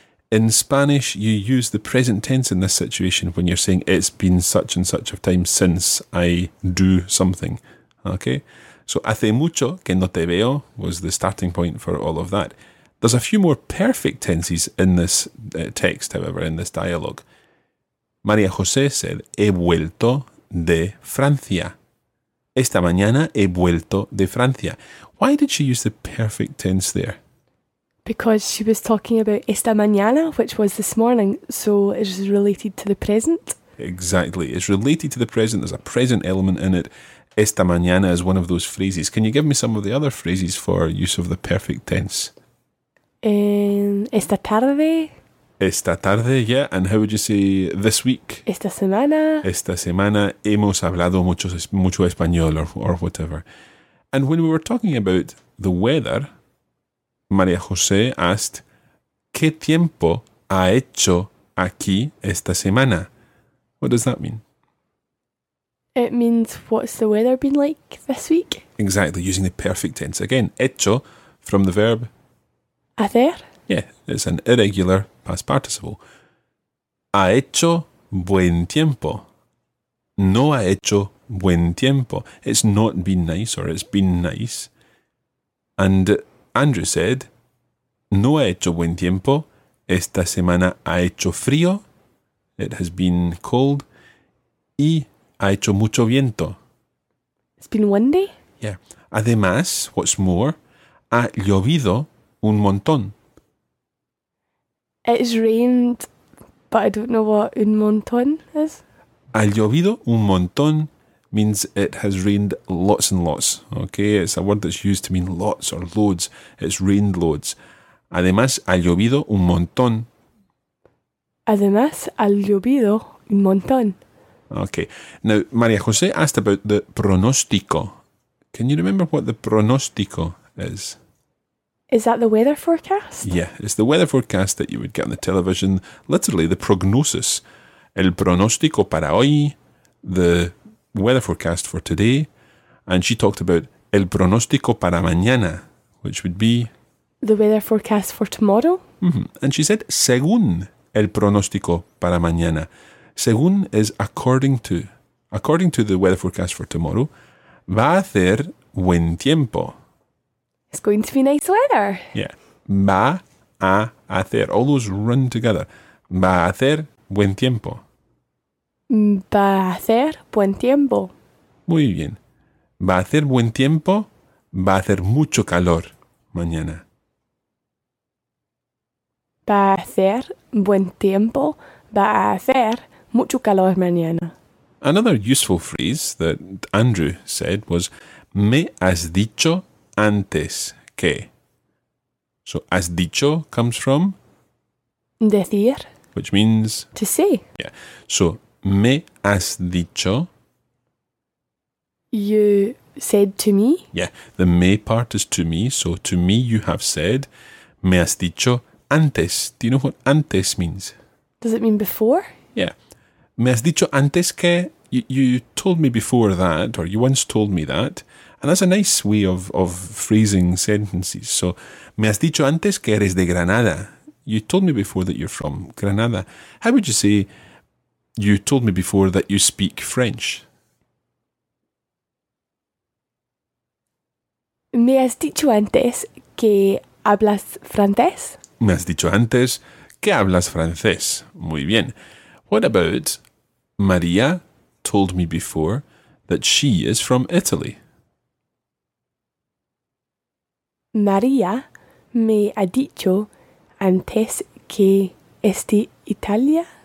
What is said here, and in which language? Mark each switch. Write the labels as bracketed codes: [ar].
[en] In Spanish, you use the present tense in this situation when you're saying it's been such and such of time since I do something. Okay? So, [es] hace mucho que no te veo [en] was the starting point for all of that. There's a few more perfect tenses in this text, however, in this dialogue. [es] María José [en] said, [es] he vuelto de Francia. Esta mañana he vuelto de Francia. [en] Why did she use the perfect tense there? Because she was talking about [es] esta mañana, [en] which was this morning, so it's related to the present. Exactly. It's related to the present. There's a present element in it. [es] Esta mañana [en] is one of those phrases. Can you give me some of the other phrases for use of the perfect tense? [es] Esta tarde. Esta tarde, yeah. [en] And how would you say this week? [es] Esta semana. Esta semana hemos hablado mucho español [en] or whatever. And when we were talking about the weather, María José asked, [es] ¿qué tiempo ha hecho aquí esta semana? [en] What does that mean? It means, what's the weather been like this week? Exactly, using the perfect tense. Again, hecho, from the verb... [es] hacer? [en] Yeah, it's an irregular past participle. [es] Ha hecho buen tiempo. No ha hecho buen tiempo. [en] It's not been nice, or it's been nice. And Andrew said, [es] no ha hecho buen tiempo. Esta semana ha hecho frío. [en] It has been cold. [es] Y ha hecho mucho viento. [en] It's been windy. Yeah. [es] Además, [en] what's more, [es] ha llovido un montón. [en] It's rained, but I don't know what [es] un montón [en] is. [es] Ha llovido un montón [en] means it has rained lots and lots. Okay, it's a word that's used to mean lots or loads. It's rained loads. [es] Además, ha llovido un montón. Además, ha llovido un montón. [en] Okay. Now, María José asked about the pronóstico. Can you remember what the pronóstico is? Is that the weather forecast? Yeah, it's the weather forecast that you would get on the television. Literally, the prognosis. [es] El pronóstico para hoy, [en] the weather forecast for today. And she talked about [es] el pronóstico para mañana, [en] which would be... the weather forecast for tomorrow. Mm-hmm. And she said, [es] según el pronóstico para mañana. [en] Según is according to. According to the weather forecast for tomorrow, [es] va a hacer buen tiempo. [en] It's going to be nice weather. Yeah. [es] Va a hacer. [en] All those run together. [es] Va a hacer buen tiempo. Va a hacer buen tiempo. Muy bien. Va a hacer buen tiempo. Va a hacer mucho calor mañana. Va a hacer buen tiempo. Va a hacer mucho calor mañana. [en] Another useful phrase that Andrew said was, [es] me has dicho antes que. [en] So, [es] has dicho [en] comes from? [es] Decir. [en] Which means? To say. [es] Yeah. So, me has dicho. [en] You said to me. Yeah. The me part is to me. So, to me you have said, [es] me has dicho antes. [en] Do you know what antes means? Does it mean before? [es] Yeah. Me has dicho antes que. [en] You told me before that, or you once told me that. And that's a nice way of phrasing sentences. So, [es] me has dicho antes que eres de Granada. [en] You told me before that you're from Granada. How would you say, you told me before that you speak French? [es] Me has dicho antes que hablas francés. Me has dicho antes que hablas francés. Muy bien. [en] What about María told me before that she is from Italy? [es] María me ha dicho antes que es de Italia.